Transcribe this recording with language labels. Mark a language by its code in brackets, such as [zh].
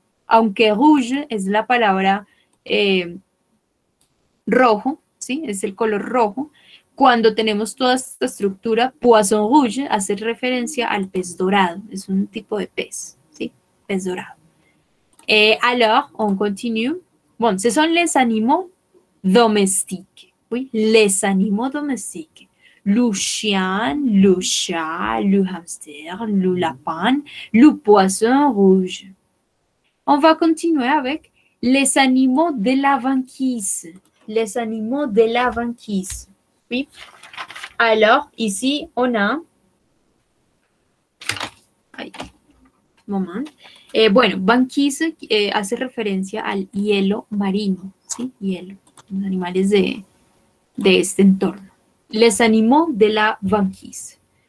[es] Aunque rouge es la palabra rojo, ¿sí? Es el color rojo. Cuando tenemos toda esta estructura, poisson rouge hace referencia al pez dorado, es un tipo de pez, ¿sí? Pez dorado. [fr] Alors, on continue. Bon, ce sont les animaux domestiques, ¿oui? Les animaux domestiques. Loup chien, loup chat, loup hamster, loup lapin, loup poisson rouge. On va continuer avec les animaux de la banquise. Les animaux de la banquise. Oui. Alors, ici, on a. Ay, moment. [es] Bueno, banquise hace referencia al hielo marino. ¿Sí? Hielo. Los animales de este entorno. [fr] Les animaux de la banquise.